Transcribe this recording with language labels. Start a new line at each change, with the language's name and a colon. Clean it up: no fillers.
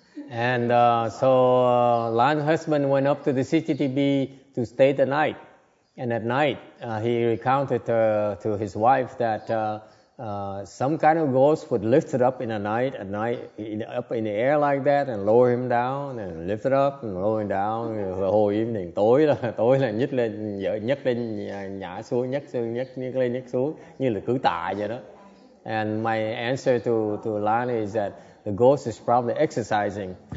English: And so Lan's husband went up to the CCTV to stay the night. And at night, he recounted to his wife that some kind of ghost would lift it up in the night, at night, up in the air like that, and lower him down, and lift it up, and lower him down the whole evening.
Vietnamese: Tối là nhích lên, nhấc lên, nhả xuống, nhấc xuống, nhấc lên, nhấc xuống, như là cứ tạ vậy đó.
English: And my answer to Lan is that the ghost is probably exercising.